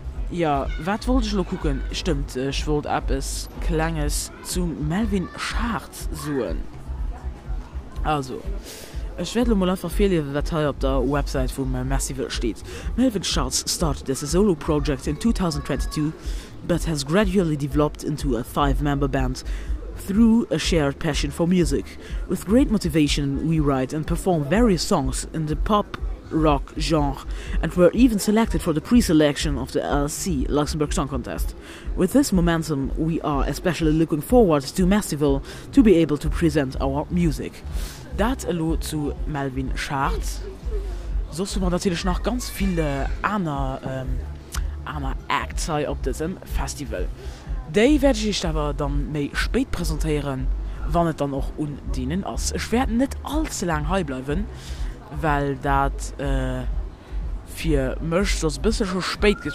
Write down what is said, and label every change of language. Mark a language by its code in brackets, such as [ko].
[de] Ja, was wollte ich noch gucken? Stimmt, ich wollte etwas Kleines zu Melvin Schardt suchen. Also. Ich werde mal einfach viel über das hier auf der Website von Massive steht. [en] Melvin Schardt started as a solo project in 2022, but has gradually developed into a 5-member band through a shared passion for music. With great motivation, we write and perform various songs in the pop rock genre and were even selected for the pre-selection of the LSC, Luxembourg Song Contest. With this momentum, we are especially looking forward to Massive to be able to present our music. [de] Das Hallo zu Melvin Schardt. So sind wir natürlich noch ganz viele andere Acts auf diesem Festival. Die werde ich aber dann mehr spät präsentieren, wann es dann auch undienen ist. Ich werde nicht allzu lange hier bleiben, weil das für mich so ein bisschen schon spät geht.